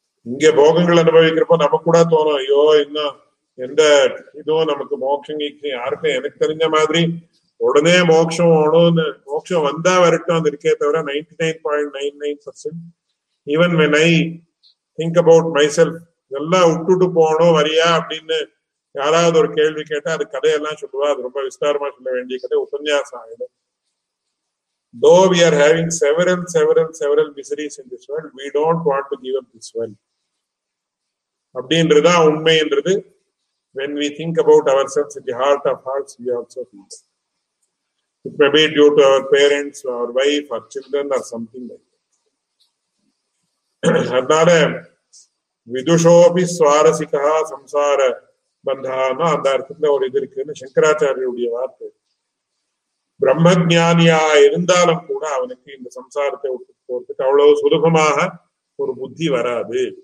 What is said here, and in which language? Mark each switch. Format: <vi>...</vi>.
<ta>இங்க போகங்கள் அனுபவிக்கிறப்போ நமக்கு கூட தோணும், ஐயோ இன்னும் எந்த இதுவும் நமக்கு மோட்சம் கேட்கும், யாருக்கும் எனக்கு தெரிஞ்ச மாதிரி உடனே மோட்சம் ஓணும்னு மோட்சம் வந்தா வரட்டும் அது இருக்கே தவிர, 99.99%</ta> <en>even when I think about myself</en> <ta>இதெல்லாம் விட்டுட்டு போகணும் வரியா அப்படின்னு யாராவது ஒரு கேள்வி கேட்டா அது கதையெல்லாம் சொல்லுவா, அது ரொம்ப விஸ்தாரமா சொல்ல வேண்டிய கதை, உபன்யாசம் ஆகிடும்.</ta> <en>Though we are having several miseries in this world, we don't want to give up this world.</en> <ta>அப்படின்றது தான் உண்மைன்றது.</ta> <en>When we think about ourselves in the heart of hearts, we also feel. It may be due to our parents, our wife, our children or something like that.</en> <ta>அதனால விதுஷோபி சுவாரசிகா சம்சார பந்தான்னா அந்த அர்த்தத்துல ஒரு இது இருக்குன்னு சங்கராச்சாரியருடைய வார்த்தை. பிரம்ம ஜானியா இருந்தாலும் கூட அவனுக்கு இந்த சம்சாரத்தை விட்டு போறதுக்கு அவ்வளவு சுலபமாக ஒரு புத்தி வராது.</ta>